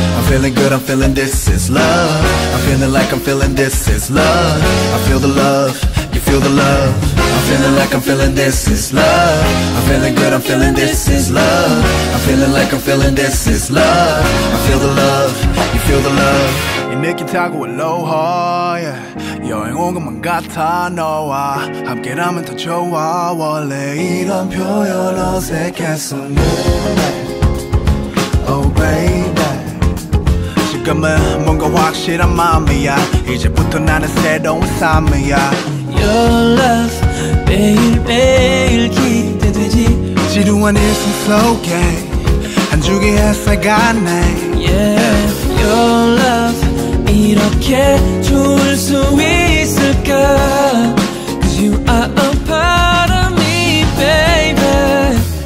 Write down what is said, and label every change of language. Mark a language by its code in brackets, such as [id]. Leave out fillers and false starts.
[en] I'm feeling good, I'm feeling this is love. I'm feeling like I'm feeling this is love. I feel the love, you feel the love. I'm feeling like I'm feeling this is love. I'm feeling good, I'm feeling this is love. I'm feeling like I'm feeling this is love. I feel the love, you feel the love. [ko] 이 느낌 타고 Aloha, yeah. 여행 온 것만 같아 너와 함께라면 더 좋아. 원래 이런 표현 어색했어. [en] Oh baby, [ko] 지금은 뭔가 확실한 마음이야. 이제부터 나는 새로운 삶이야. [en] Your love [ko] 매일 매일 기대되지. 지루한 일상 속에 한 줄기 햇살 같네. [en] Yeah, your love [ko] 이렇게 좋을 수 있을까. [en] 'Cause you are a part of me baby.